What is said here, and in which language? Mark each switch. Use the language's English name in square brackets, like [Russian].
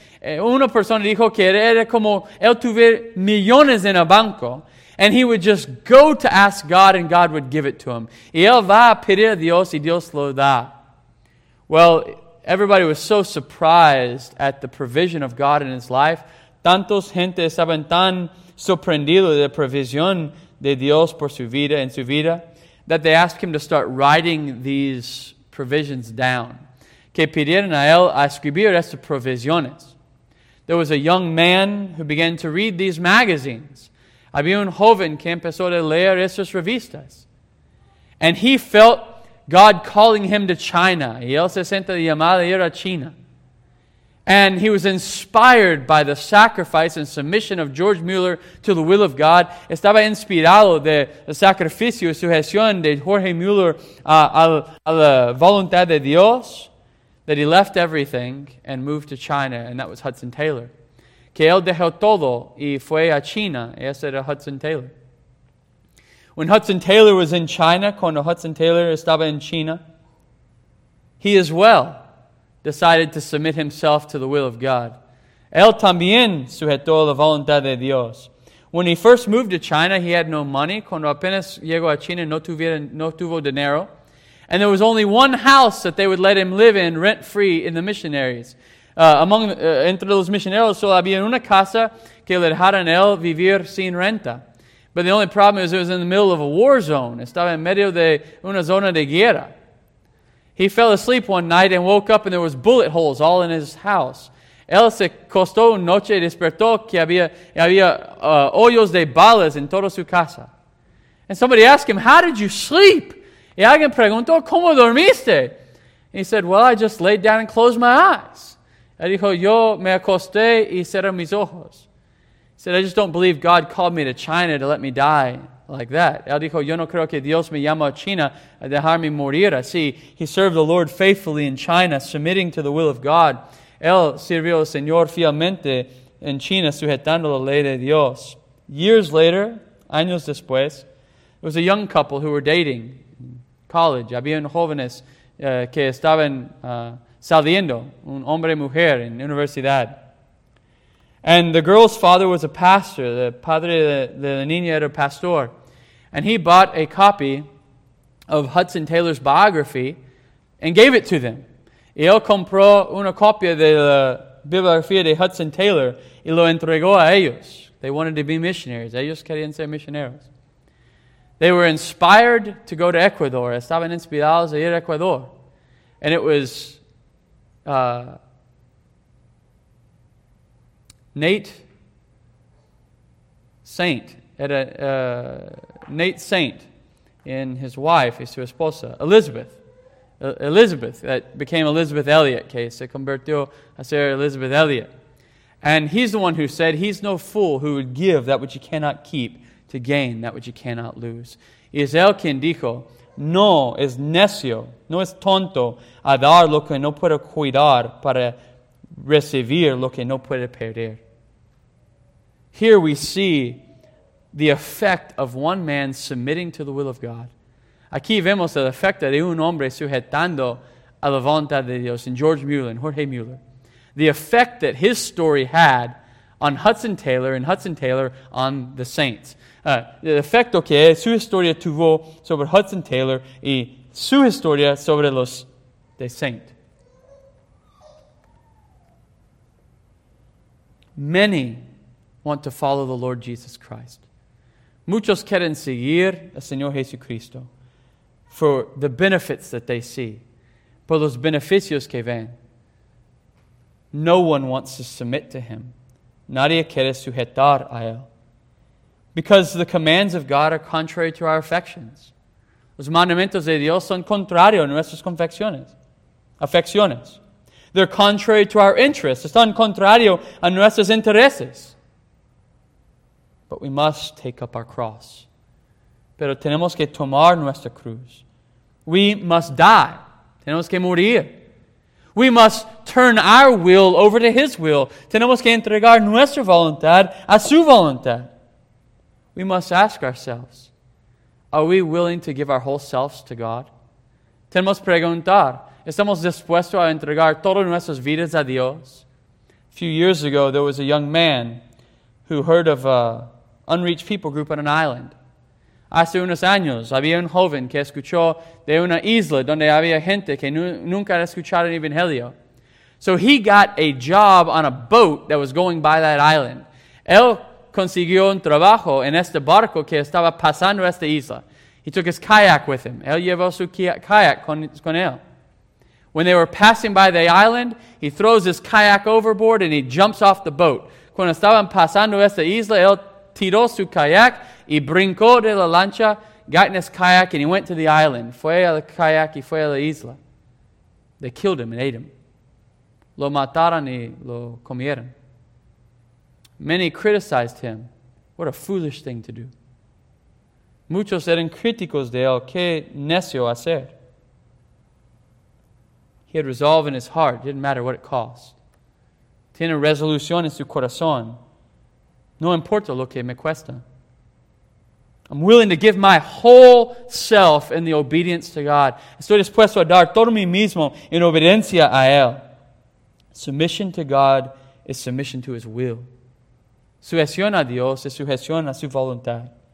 [Spanish] Una persona dijo que era como él tuviera millones en el banco. [English] And he would just go to ask God and God would give it to him. [Spanish] Y él va a pedir a Dios y Dios lo da. [English] Well, everybody was so surprised at the provision of God in his life. [Spanish] Tantos gente estaban tan sorprendidos de la provisión de Dios por su vida, en su vida, [English] that they asked him to start writing these provisions down. [Spanish] Que pidieron a él a escribir estas provisiones. [English] There was a young man who began to read these magazines. [Spanish] Había un joven que empezó a leer estas revistas. [English] And he felt God calling him to China. [Spanish] Y él se siente llamado a ir a China. [English] And he was inspired by the sacrifice and submission of George Mueller to the will of God. [Spanish] Estaba inspirado de el sacrificio y sujeción de Jorge Mueller a la voluntad de Dios. [English] That he left everything and moved to China. And that was Hudson Taylor. [Spanish] Que él dejó todo y fue a China. Y ese era Hudson Taylor. [English] When Hudson Taylor was in China, [Spanish] cuando Hudson Taylor estaba en China, [English] he as well decided to submit himself to the will of God. [Spanish] Él también sujetó la voluntad de Dios. [English] When he first moved to China, he had no money. [Spanish] Cuando apenas llegó a China, no tuvo dinero. [English] And there was only one house that they would let him live in rent-free in the missionaries. [Spanish] Entre los misioneros, solo había una casa que le dejaron él vivir sin renta. [English] But the only problem is it was in the middle of a war zone. [Spanish] Estaba en medio de una zona de guerra. [English] He fell asleep one night and woke up and there was bullet holes all in his house. [Spanish] Él se acostó una noche y despertó que había hoyos de balas en toda su casa. [English] And somebody asked him, how did you sleep? [Spanish] Y alguien preguntó, ¿cómo dormiste? [English] He said, well, I just laid down and closed my eyes. [Spanish] Él dijo, yo me acosté y cerré mis ojos. [English] He said, I just don't believe God called me to China to let me die like that. [Spanish] Él dijo, yo no creo que Dios me llamó a China a dejarme morir así. [English] He served the Lord faithfully in China, submitting to the will of God. [Spanish] Él sirvió al Señor fielmente en China, sujetando la ley de Dios. [English] Years later, [Spanish] años después, [English] it was a young couple who were dating in college. [Spanish] Habían jóvenes que estaban saliendo, un hombre y mujer en universidad. [English] And the girl's father was a pastor. The [Spanish] padre de la niña era pastor. [English] And he bought a copy of Hudson Taylor's biography and gave it to them. [Spanish] Y él compró una copia de la biografía de Hudson Taylor y lo entregó a ellos. [English] They wanted to be missionaries. [Spanish] Ellos querían ser misioneros. [English] They were inspired to go to Ecuador. [Spanish] Estaban inspirados a ir a Ecuador. [English] And it was Nate Saint at a Nate Saint and his wife, his [Spanish] su esposa, [English] Elizabeth. Elizabeth, that became Elizabeth Elliot, okay, [Spanish] se convirtió a ser Elizabeth Elliot. [English] And he's the one who said, he's no fool who would give that which he cannot keep to gain that which he cannot lose. [Spanish] Y es él quien dijo, no es necio, no es tonto a dar lo que no puede cuidar para recibir lo que no puede perder. [English] Here we see the effect of one man submitting to the will of God. [Spanish] Aquí vemos el efecto de un hombre sujetando a la voluntad de Dios en George Mueller, en Jorge Mueller. [English] The effect that his story had on Hudson Taylor and Hudson Taylor on the saints. [Spanish] El efecto que su historia tuvo sobre Hudson Taylor y su historia sobre los de saint. [English] Many want to follow the Lord Jesus Christ. [Spanish] Muchos quieren seguir al Señor Jesucristo [English] for the benefits that they see, [Spanish] por los beneficios que ven. [English] No one wants to submit to Him. [Spanish] Nadie quiere sujetar a Él. [English] Because the commands of God are contrary to our affections. [Spanish] Los mandamientos de Dios son contrarios a nuestras afecciones. [English] They're contrary to our interests. [Spanish] Están contrarios a nuestros intereses. [English] But we must take up our cross. [Spanish] Pero tenemos que tomar nuestra cruz. [English] We must die. [Spanish] Tenemos que morir. [English] We must turn our will over to His will. [Spanish] Tenemos que entregar nuestra voluntad a su voluntad. [English] We must ask ourselves, are we willing to give our whole selves to God? [Spanish] Tenemos que preguntar, ¿estamos dispuestos a entregar todas nuestras vidas a Dios? [English] A few years ago, there was a young man who heard of an unreached people group on an island. [Spanish] Hace unos años, había un joven que escuchó de una isla donde había gente que nunca había escuchado el Evangelio. [English] So he got a job on a boat that was going by that island. [Spanish] Él consiguió un trabajo en este barco que estaba pasando esta isla. [English] He took his kayak with him. [Spanish] Él llevó su kayak con él. [English] When they were passing by the island, he throws his kayak overboard and he jumps off the boat. [Spanish] Cuando estaban pasando esta isla, él tiró su kayak y brincó de la lancha, [English] got in his kayak, and he went to the island. [Spanish] Fue al kayak y fue a la isla. [English] They killed him and ate him. [Spanish] Lo mataron y lo comieron. [English] Many criticized him. What a foolish thing to do. [Spanish] Muchos eran críticos de él. Qué necio hacer. [English] He had resolve in his heart. It didn't matter what it cost. [Spanish] Tiene resolución en su corazón. No importa lo que me cuesta. [English] I'm willing to give my whole self in the obedience to God. [Spanish] Estoy dispuesto a dar todo mí mismo en obediencia a Él. [English] Submission to God is submission to His will. [Spanish] Sujeción a Dios es sujeción a su voluntad.